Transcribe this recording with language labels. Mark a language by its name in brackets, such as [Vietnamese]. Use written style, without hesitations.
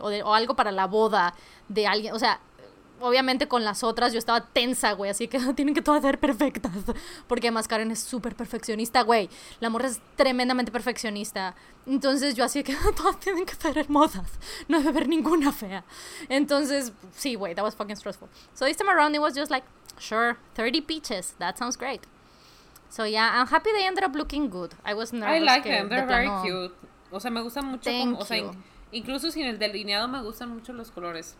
[Spanish] O algo para la boda de alguien. O sea... Obviamente con las otras yo estaba tensa, güey. Así que tienen que todas ser perfectas. Porque además Karen es súper perfeccionista, güey. La morra es tremendamente perfeccionista. Entonces yo así que todas tienen que ser hermosas. No debe haber ninguna fea. Entonces, sí, güey, [English] that was fucking stressful. So this time around it was just like, sure, 30 peaches, that sounds great. So yeah, I'm happy they ended up looking good. I was nervous. I like them, they're very cute. [Spanish] O sea, me gustan mucho. [English] Thank como, o sea, you. [Spanish] Incluso sin el delineado me gustan mucho los colores.